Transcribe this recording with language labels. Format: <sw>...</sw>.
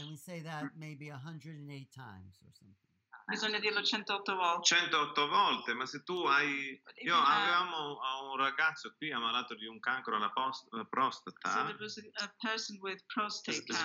<en>And we say that maybe 108 times or something.</en> <it>Bisogna dirlo 108 volte. 108 volte, ma se tu hai... Io avevamo un ragazzo qui ammalato di un cancro alla prostata.</it> <en>So there was a person with prostate cancer.</en>